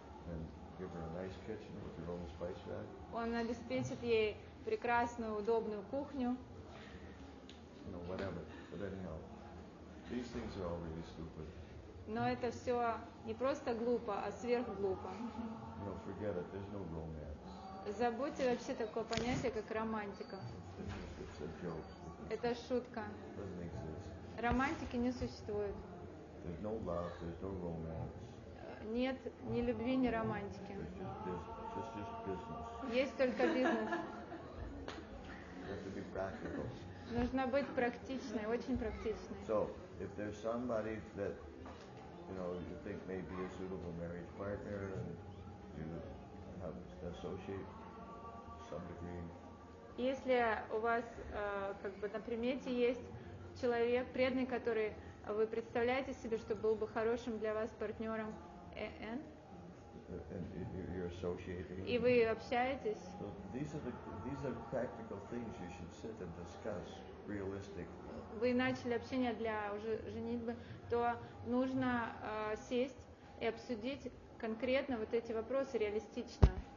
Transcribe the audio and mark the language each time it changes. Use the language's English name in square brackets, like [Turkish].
[English] And give her a nice kitchen with her own spice rack. [Russian] Он обеспечит ей прекрасную, удобную кухню. [English] You know, whatever, but anyhow. These things are all really stupid. [Russian] Но это все не просто глупо, а сверхглупо. [English] No, forget it. There's no romance. [Russian] Забудьте вообще такое понятие, как романтика. [English] It's a joke. [Russian] Это шутка. [English] It doesn't exist. [Russian] Романтики не существует. [English] There's no love, there's no romance. [Russian] Нет ни любви, ни романтики. [English] Just business. [Russian] Есть только бизнес. [English] You have to be practical. [Russian] Нужно быть практичной, очень практичной. [English] So, if there's somebody that, you know, you think may be a suitable marriage partner and you have to associate some degree. [Russian] Если у вас как бы на примете есть человек преданный, который вы представляете себе, что был бы хорошим для вас партнером, [English] and you're associating. [Russian] И вы общаетесь. [English] So these are practical things you should sit and discuss. Realistic. [Russian] Вы начали общение для уже женитьбы, то нужно сесть и обсудить конкретно вот эти вопросы реалистично.